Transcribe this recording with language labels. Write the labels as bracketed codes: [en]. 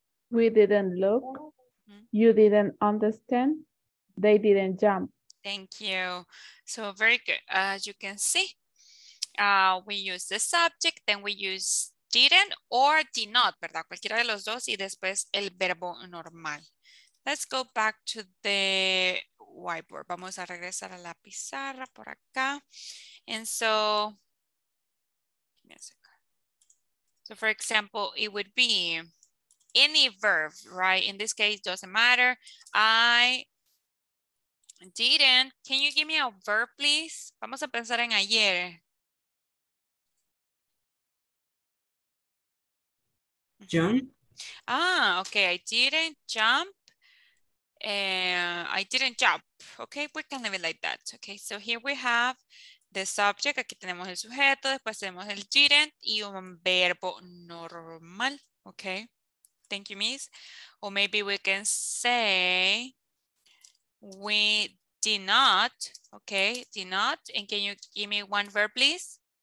[en] We didn't look. Mm-hmm. You didn't understand. They didn't jump. Thank you. So very good. As you can see, we use the subject, then we use didn't or did not, ¿verdad? [es] Cualquiera de los dos y después el verbo normal. [en] Let's go back to the whiteboard. [es] Vamos a regresar a la pizarra por acá. [en] And so, give me a second. So for example, it would be any verb, right? In this case, doesn't matter. I didn't. Can you give me a verb, please? [es] Vamos a pensar en ayer. [en] Jump. Ah, okay. I didn't jump. I didn't jump. Okay, we can leave it like that. Okay, so here we have the subject. [es] Aquí tenemos el sujeto. Después tenemos el didn't y un verbo normal. [en] Okay, thank you, miss. Or maybe we can say we did not. Okay, did not. And can you give me one verb, please?